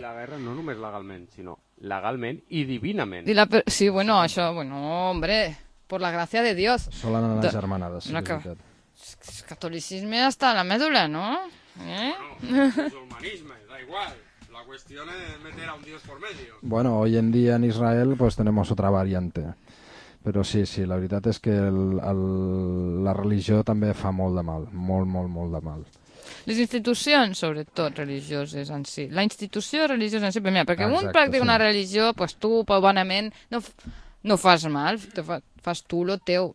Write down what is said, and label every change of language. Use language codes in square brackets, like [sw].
[ca] La guerra no només legalment, sinó legalment i divinament. I sí, bueno, això, bueno, hombre, [es] por la gracia de Dios. [ca] Solen anar germanades, si és veritat. El catolicisme està a la mèdula, no? Bueno, el musulmanisme, [es] da igual. [ca] La qüestió és [es] meter a un Dios por medio. Bueno, hoy en día en Israel pues tenemos otra variante. [ca] Però sí, sí, la veritat és que la religió també fa molt de mal, molt, molt, molt de mal. Les institucions, sobretot religioses en si, la institució religiosa en si, mira, perquè exacte, un practica sí. Una religió, pues, tu, bonament, no fas mal, fas tu, lo teu.